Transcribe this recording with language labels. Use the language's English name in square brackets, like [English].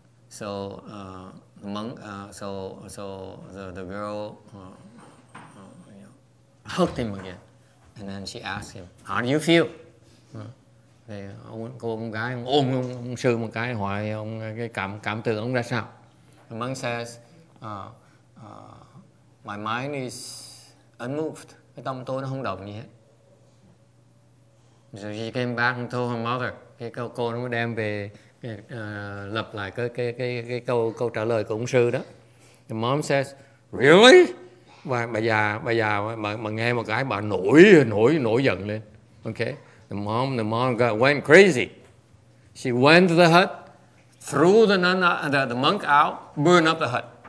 [English] So the girl hugged him again, and then she asked him, how do you feel? [Vietnamese] Thì cô gái ôm ông sư một cái, hỏi ông cái cảm tưởng ông ra sao. [English] The monk says, my mind is unmoved. [Vietnamese] Cái tâm tôi nó không động gì hết. [English] So she came back and told her mother. [Vietnamese] Cái cô nó mới đem về lặp lại cái câu trả lời của ông sư đó. [English] The mom says, really? [Vietnamese] Bà già nghe một cái bà nổi giận lên. [English] Okay. The mom went crazy. She went to the hut, threw the monk out, burned up the hut.